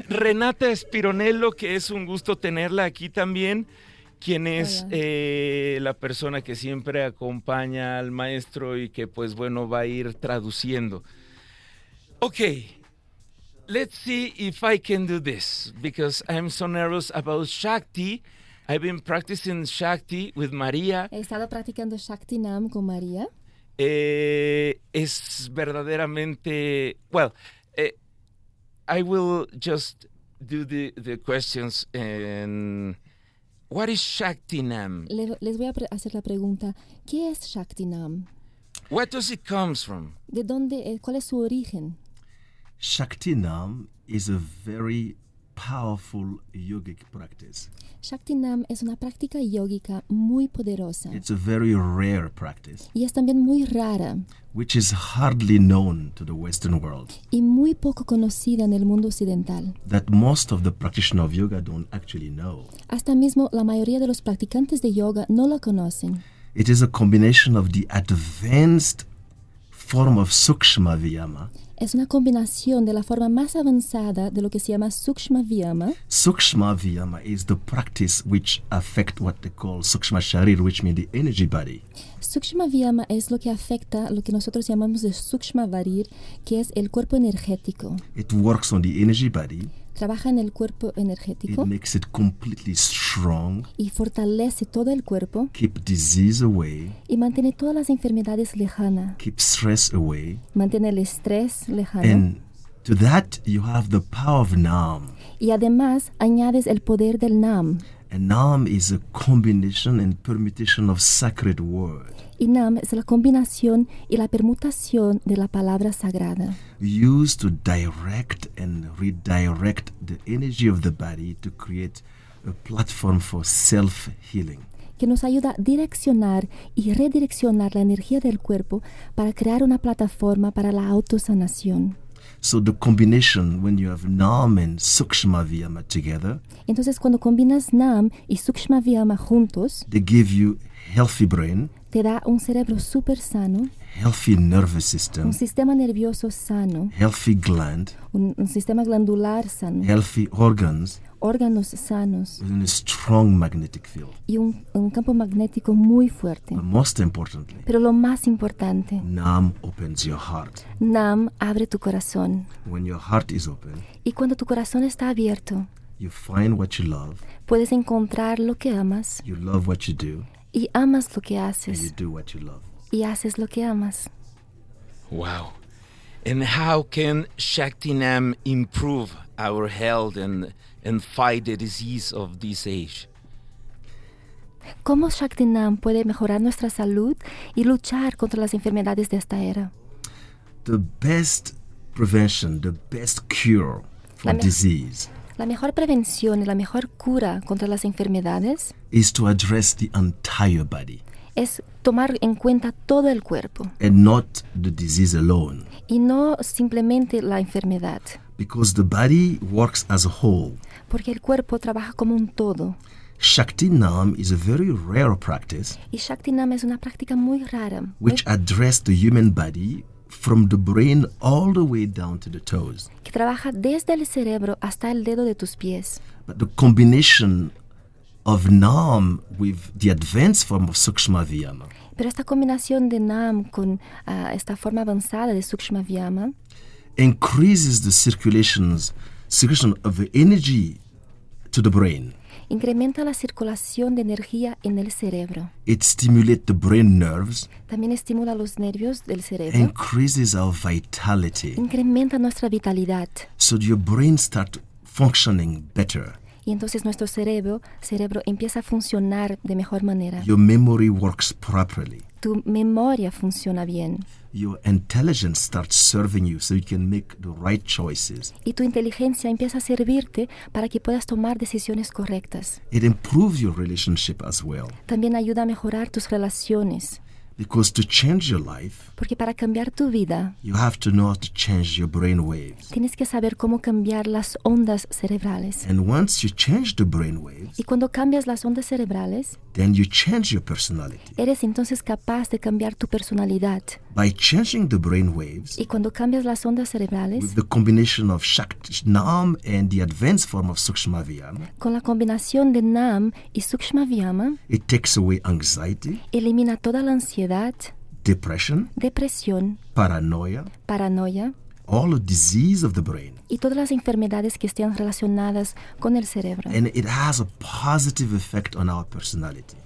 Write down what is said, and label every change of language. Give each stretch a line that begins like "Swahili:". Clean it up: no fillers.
Spanish: Renata Spironello, que es un gusto tenerla aquí también, quien es la persona que siempre acompaña al maestro y que, pues, bueno, va a ir traduciendo.
English: Okay. Let's see if I can do this, because I'm so nervous about Shakti. I've been practicing Shakti with Maria.
Spanish: He estado practicando Shakti Nam con Maria. Es verdaderamente...
English: Well, I will just do the questions. And what is Shakti Nam?
Spanish: Les voy a hacer la pregunta. ¿Qué es Shakti Nam?
English: Where does it come from?
Spanish: ¿De dónde, cuál es su origen?
English: Shakti Nam is a very powerful yogic practice.
Spanish: Shakti Nam es una práctica yógica muy poderosa.
English: It's a very rare practice.
Spanish: Y es también muy rara.
English: Which is hardly known to the Western world.
Spanish: Y muy poco conocida en el mundo occidental.
English: That most of the practitioners of yoga don't actually know.
Spanish: Hasta mismo la mayoría de los practicantes de yoga no la conocen.
English: It is a combination of the advanced form of Sukshma Vyama.
Spanish: Es una combinación de la forma más avanzada de lo que se llama Sukshma Vyama.
English: Sukshma Vyama is the practice which affect what they call Sukshma Sharir, which means the energy body.
Spanish: Sukshma Vyama es lo que afecta lo que nosotros llamamos de Sukshma Varir, que es el cuerpo energético.
English: It works on the energy body.
Spanish: Trabaja en el cuerpo energético.
English: It makes it completely strong.
Spanish: Y fortalece todo el cuerpo.
English: Keep disease away.
Spanish: Y mantiene todas las enfermedades lejanas.
English: Keep stress away.
Spanish: Mantiene el estrés lejano.
English: And to that you have the power of Nam.
Spanish: Y además añades el poder del Nam.
English: And Nam is a combination and permutation of sacred word.
Spanish: Y Nam es la combinación y la permutación de la palabra sagrada.
English: Used to direct and redirect the energy of the body to create a platform for self-healing.
Spanish: Que nos ayuda a direccionar y redireccionar la energía del cuerpo para crear una plataforma para la autosanación.
English: So the combination when you have Nam and Sukshma Vyama together.
Spanish: Entonces cuando combinas Nam y Sukshma Vyama juntos,
English: they give you healthy brain.
Spanish: te da un cerebro súper sano,
English: healthy nervous system,
Spanish: un sistema nervioso sano,
English: healthy gland,
Spanish: un sistema glandular sano,
English: healthy organs,
Spanish: órganos sanos,
English: within a strong magnetic field,
Spanish: y un campo magnético muy fuerte.
English: But most importantly,
Spanish: pero lo más importante,
English: Nam opens your heart.
Spanish: Nam abre tu corazón.
English: When your heart is open,
Spanish: y cuando tu corazón está abierto,
English: you find what you love,
Spanish: puedes encontrar lo que amas.
English: You love what you do,
Spanish: y amas lo que haces.
English: And you do what you love.
Spanish: Y haces lo que amas.
English: Wow. And how can Shakti Nam improve our health and fight the disease of this age?
Spanish: ¿Cómo Shakti Nam puede mejorar nuestra salud y luchar contra las enfermedades de esta era?
English: The best prevention, the best cure for disease.
Spanish: La mejor prevención y la mejor cura contra las enfermedades
English: is to address the entire body.
Spanish: Es tomar en cuenta todo el cuerpo.
English: And not the disease alone.
Spanish: Y no simplemente la enfermedad.
English: Because the body works as a whole.
Spanish: Porque el cuerpo trabaja como un todo.
English: Shakti Nam is a very rare practice.
Spanish: Y Shakti Nam es una práctica muy rara.
English: Which address the human body from the brain all the way down to the toes.
Spanish: Que trabaja desde el cerebro hasta el dedo de tus pies.
English: But the combination of Nam with the advanced form of Sukshma Vyama.
Spanish: Pero esta combinación de Nam con esta forma avanzada de Sukshma Vyama
English: increases the circulation of the energy to the brain.
Spanish: Incrementa la circulación de energía en el cerebro.
English: It stimulates the brain nerves.
Spanish: También estimula los nervios del cerebro.
English: Increases our vitality.
Spanish: Incrementa nuestra vitalidad.
English: So your brain starts functioning better.
Spanish: Y entonces nuestro cerebro empieza a funcionar de mejor manera.
English: Your memory works properly.
Spanish: Tu memoria funciona bien.
English: Your intelligence starts serving you so you can make the right choices.
Spanish: Y tu inteligencia empieza a servirte para que puedas tomar decisiones correctas.
English: It improves your relationship as well.
Spanish: También ayuda a mejorar tus relaciones.
English: Because to change your life,
Spanish: porque para cambiar tu vida,
English: you have to know how to change your brain waves.
Spanish: Tienes que saber cómo cambiar las ondas cerebrales.
English: And once you change the brain waves,
Spanish: y cuando cambias las ondas cerebrales,
English: then you change your personality.
Spanish: Eres entonces capaz de cambiar tu personalidad.
English: By changing the brain waves,
Spanish: y cuando cambias las ondas cerebrales,
English: with the combination of Shakti Nam and the advanced form of Sukshma Vyama,
Spanish: con la combinación de Nam y Sukshma Vyama,
English: it takes away anxiety,
Spanish: elimina toda la ansiedad,
English: depression,
Spanish: depresión,
English: paranoia, all the disease of the brain,
Spanish: y todas las enfermedades que estén relacionadas con el cerebro.
English: And it has a positive effect on our personality.